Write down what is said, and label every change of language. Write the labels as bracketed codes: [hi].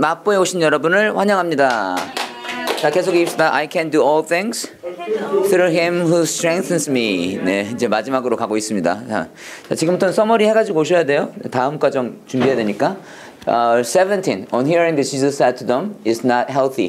[ko] 맛보에 오신 여러분을 환영합니다. 자, 계속 읽읍시다. [en] I can do all things through him who strengthens me. [ko] 네, 이제 마지막으로 가고 있습니다. 자, 지금부터는 서머리 해가지고 오셔야 돼요. 다음 과정 준비해야 되니까. 17. [en] On hearing this, Jesus said to them, it's not healthy.